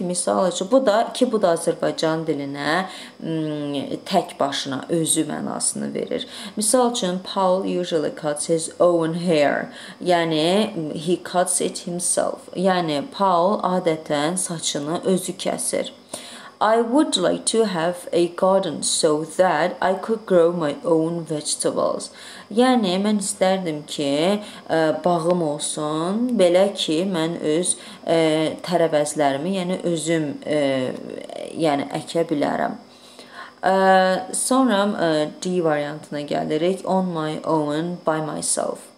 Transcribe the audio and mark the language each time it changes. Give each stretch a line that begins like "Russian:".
Azerbaijani: Misal üçün bu da ki bu da Azərbaycan dilinə tək başına özü mənasını verir. Misal üçün
English: Paul usually cuts his own hair.
Azerbaijani: Yəni
English: he cuts it himself.
Azerbaijani: Yəni Paul adətən saçını özü kəsir.
English: I would like to have a garden so that I could grow my own vegetables.
Azerbaijani: Yani mən istərdim ki, bağım olsun, belə ki, mən öz tərəvəzlərimi, yəni özüm yəni əkə bilərəm. Sonra D variantına gəlirik,
English: on my own, by myself.